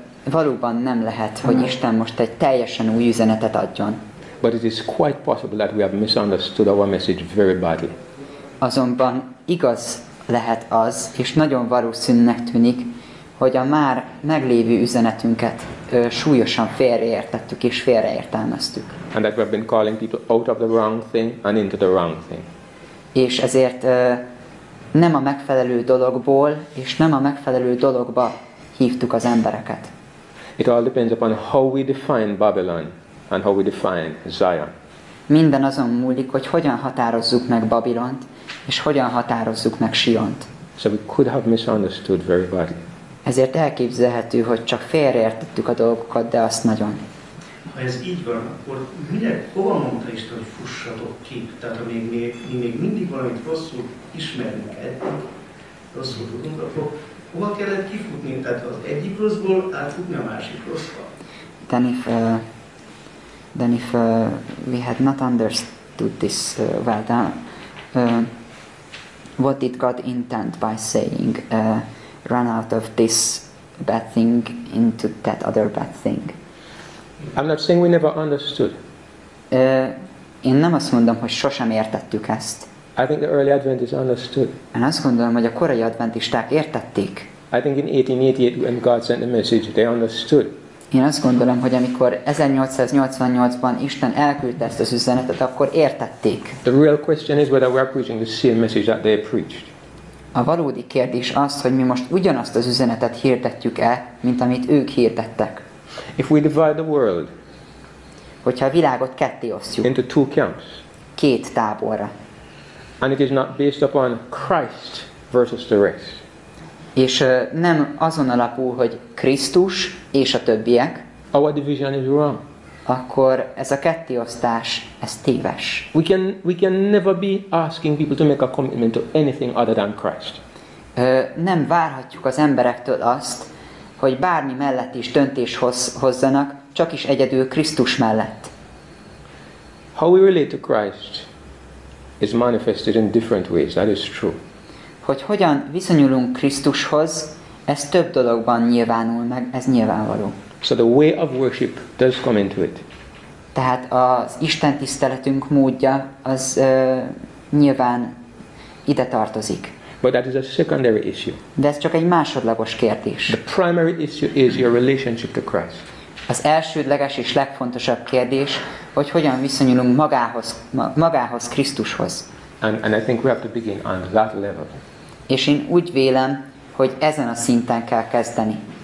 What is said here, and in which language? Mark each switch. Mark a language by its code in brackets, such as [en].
[hu] Valóban nem lehet, hogy Isten most egy teljesen új üzenetet adjon. [en] But it is quite possible that we have misunderstood our message very badly. [hu] Azonban igaz lehet az, és nagyon valószínűnek tűnik, hogy a már meglévő üzenetünket súlyosan félreértettük és félreértelmeztük. [en] And that we have been calling people out of the wrong thing and into the wrong thing. [hu] És ezért nem a megfelelő dologból és nem a megfelelő dologba hívtuk az embereket. [en] It all depends upon how we define Babylon and how we define Zion. [hu] Minden azon múlik, hogy hogyan határozzuk meg Babilont és hogyan határozzuk meg Siont. [en] So we could have misunderstood very badly. [hu] Ezért elképzelhető, hogy csak félreértettük a dolgokat, de azt nagyon. Ha ez így van, akkor mire, hova mondta Isten, hogy fussatok ki? Tehát ha még mindig valamit rosszul ismerünk eddig, rosszul tudunk, akkor hova kellett kifutni? Tehát az egyik rosszból átfutni a másik rosszba? [en] Then if we had not understood this well, then what did God intend by saying run out of this bad thing into that other bad thing? I'm not saying we never understood. [hu] Én nem azt mondom, hogy sosem értettük ezt. [en] I think the early Adventists understood. [hu] Én azt gondolom, hogy a korai adventisták értették. [en] I think in 1888 when God sent the message, they understood. [hu] Én azt gondolom, hogy amikor 1888-ban Isten elküldte ezt az üzenetet, akkor értették. [en] The real question is whether we're preaching the same message that they preached. [hu] A valódi kérdés az, hogy mi most ugyanazt az üzenetet hirdetjük-e, mint amit ők hirdettek. [en] If we divide the world, [hu] hogyha a világot ketté osztjuk, [en] into two camps, [hu] két táborra, [en] and it is not based upon Christ versus the rest, [hu] és nem azon alapul, hogy Krisztus és a többiek, [en] our division is wrong. [hu] Akkor ez a kettéosztás, ez téves. [en] We can never be asking people to make a commitment to anything other than Christ. [hu] Nem várhatjuk az emberektől azt, hogy bármi mellett is döntés hozzanak, csak is egyedül Krisztus mellett. [en] How we relate to Christ is manifested in different ways, that is true. [hu] Hogy hogyan viszonyulunk Krisztushoz, ez több dologban nyilvánul meg, ez nyilvánvaló. [en] So the way of worship does come into it. [hu] Tehát az Isten tiszteletünk módja az nyilván ide tartozik. [en] But that is a secondary issue. [hu] De ez csak egy másodlagos kérdés. [en] The primary issue is your relationship to Christ. [hu] Az elsődleges és legfontosabb kérdés, hogy hogyan viszonyulunk magához Krisztushoz. [en] And I think we have to begin on that level. [hu] És én úgy vélem, hogy ezen a szinten kell kezdeni.